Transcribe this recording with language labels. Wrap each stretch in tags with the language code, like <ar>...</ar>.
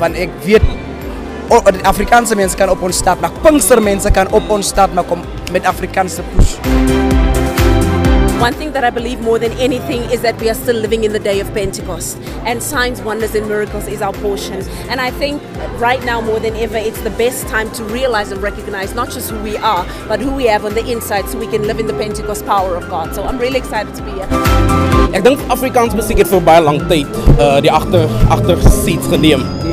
<af>Want ek weet, Afrikaanse mense kan op ons staat, maar Pinkster mense kan op ons staat, maar kom met Afrikaanse push.</af> <en>One thing that I believe more than anything is that we are still living in the day of Pentecost, and signs, wonders and miracles is our portion. And I think right now more than ever, it's the best time to realize and recognize not just who we are, but who we have on the inside, so we can live in the Pentecost power of God. So I'm really excited to be here.</en> <af>Ek dink Afrikaans musiek het vir baie lang tyd die agter seats geneem.</af>